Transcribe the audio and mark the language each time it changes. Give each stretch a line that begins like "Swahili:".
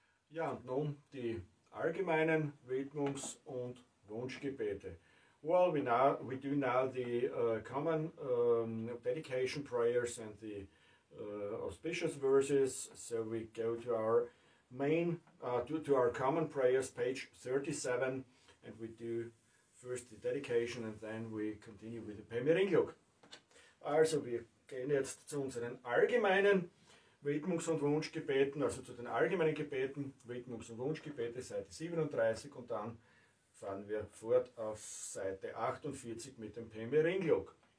German: Ja, und nun die allgemeinen Widmungs- und Wunschgebete.
English: Well, we do now the common dedication prayers and the auspicious verses, so we go to our common prayers, page 37. and we do first the dedication and then we continue with the Pemiringjok.
German: Also, wir gehen jetzt zu unseren allgemeinen Widmungs- und Wunschgebeten, also zu den allgemeinen Gebeten, Widmungs- und Wunschgebete, Seite 37, und dann fahren wir fort auf Seite 48 mit dem Pemiringjok.